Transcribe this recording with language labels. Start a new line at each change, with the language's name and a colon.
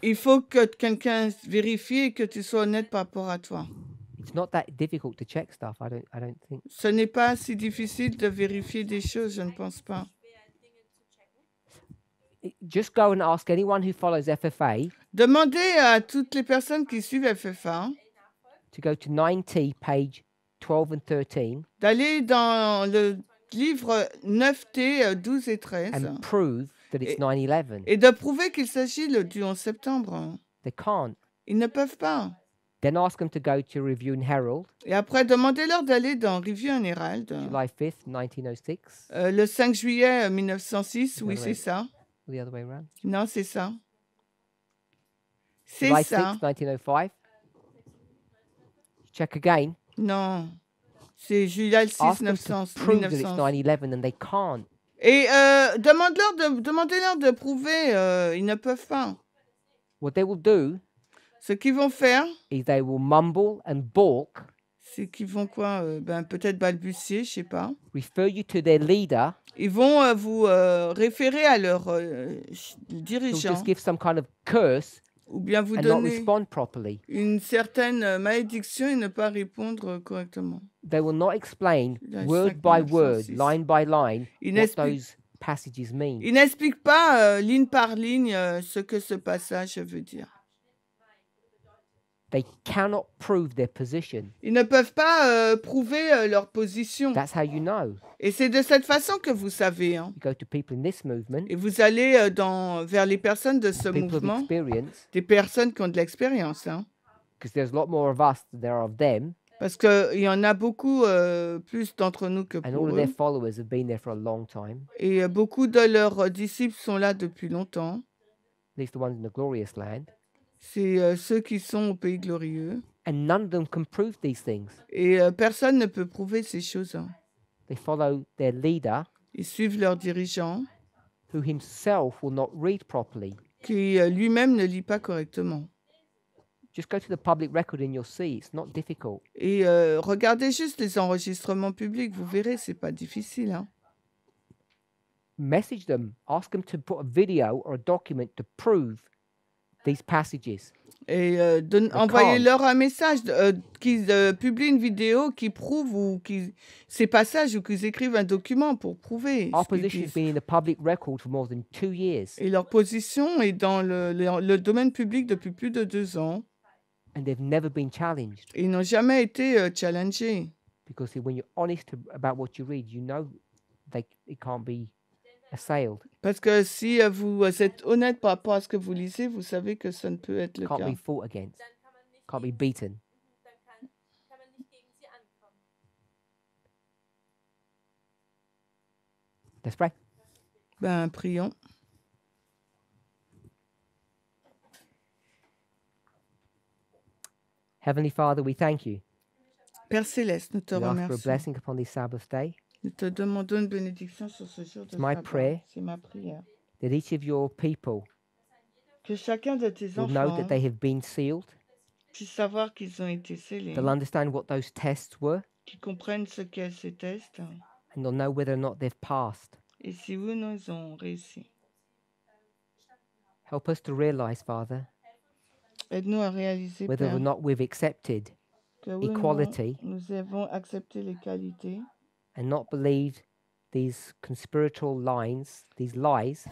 French: Il faut que quelqu'un vérifie et que tu sois honnête par rapport à toi.
English: It's not that difficult to check stuff, I don't think.
French: Ce n'est pas si difficile de vérifier des choses, je ne pense pas.
English: just go and ask anyone who follows FFA.
French: Demandez à toutes les personnes qui suivent FFA.
English: To go to 90, page 12 and 13.
French: D'aller dans le livre 9T, 12 et 13.
English: And prove that it's 9/11.
French: Et de prouver qu'il s'agit du 11 septembre.
English: They can't.
French: Ils ne peuvent pas.
English: Then ask them to go to Review and Herald.
French: Et après, demandez-leur d'aller dans Review and Herald.
English: July 5th, 1906.
French: Le 5 juillet 1906, oui, c'est ça.
English: The other way around.
French: Non, c'est ça. C'est
English: July
French: ça.
English: July 6th, 1905. Check again.
French: Non. C'est
English: July 6th,
French: 1906.
English: Ask them to prove that it's 9/11 and they can't.
French: Et demandez-leur de prouver, ils ne peuvent pas.
English: What they will do...
French: Ce qu'ils vont faire,
English: is they will mumble and balk,
French: c'est qu'ils vont quoi, peut-être balbutier, je ne sais pas.
English: Refer you to their leader.
French: Ils vont vous référer à leur dirigeant.
English: Just give some kind of curse,
French: ou bien vous
English: and
French: donner
English: not respond properly.
French: Une certaine malédiction et ne pas répondre correctement.
English: They will not explain word by word, line by line, what those passages mean.
French: Ils n'expliquent pas ligne par ligne ce que ce passage veut dire.
English: They cannot prove their position.
French: Ils ne peuvent pas prouver leur position.
English: That's how you know.
French: Et c'est de cette façon que vous savez. Hein.
English: You go to people in this movement,
French: et vous allez vers les personnes de ce mouvement, des personnes qui ont de l'expérience. Hein. Parce qu'il y en a beaucoup plus d'entre nous que
English: and
French: pour
English: all their followers have been there for a long time.
French: Et beaucoup de leurs disciples sont là depuis longtemps.
English: At least the ones in the glorious land.
French: C'est ceux qui sont au pays glorieux.
English: And none of them can prove these things.
French: Et personne ne peut prouver ces choses.
English: They follow their leader,
French: ils suivent leur dirigeant
English: who himself will not read properly.
French: Qui lui-même ne lit pas correctement.
English: Just go to the public record and you'll see, it's not difficult.
French: Et regardez juste les enregistrements publics, vous verrez, ce n'est pas difficile. Hein.
English: Message them, ask them to put a video or a document to prove these passages.
French: Et envoyez-leur un message qu'ils publient une vidéo qui prouve ou qui ces passages ou qu'ils écrivent un document pour prouver.
English: Our position has been in the public record for more than 2 years.
French: Et leur position est dans le domaine public depuis plus de 2 ans.
English: And they've never been challenged.
French: Ils n'ont jamais été challengés.
English: Because when you're honest about what you read, you know that it can't be. Assailed.
French: Parce que si vous êtes honnête par rapport à ce que vous lisez, vous savez que ça ne peut être le
English: can't
French: cas.
English: Can't be fought against. Can't be beaten. Let's pray.
French: Ben, prions.
English: Heavenly Father, we thank you.
French: Père Céleste, nous te remercions.
English: We ask for a blessing upon this Sabbath day.
French: Nous te demandons une bénédiction sur ce jour de sabbat. C'est ma prière.
English: That each of your people
French: que chacun de tes enfants
English: know that they have been sealed,
French: puissent savoir qu'ils ont été scellés.
English: They'll understand what those tests were,
French: qu'ils comprennent ce qu'est ces tests.
English: And they'll know whether or not they've passed.
French: Et si oui ou non, ils ont réussi.
English: Help us to realize, Father,
French: aide-nous à réaliser,
English: whether
French: Père,
English: or not we've accepted
French: que oui
English: equality,
French: ou non, nous avons accepté l'égalité.
English: And not believe these conspiratorial lines, these lies.